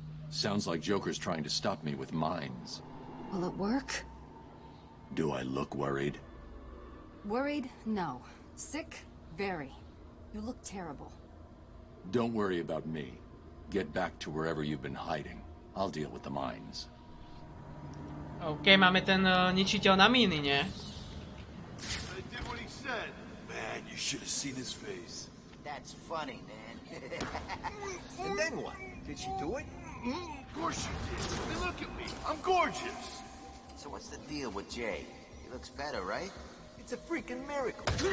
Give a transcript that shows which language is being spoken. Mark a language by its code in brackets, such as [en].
[en] Sounds like Joker's trying to stop me with mines. Will it work? Do I look worried? Worried? No. Sick? Very. You look terrible. Don't worry about me. Get back to wherever you've been hiding. I'll deal with the mines. [sk] Okay, máme ten ničiteľ na míny, nie? [en] I did what he said. Man, you should have seen his face. That's funny, man. And then what? Did she do it? Of course she did. Hey, look at me. I'm gorgeous. So what's the deal with Jay? He looks better, right? It's a freaking miracle.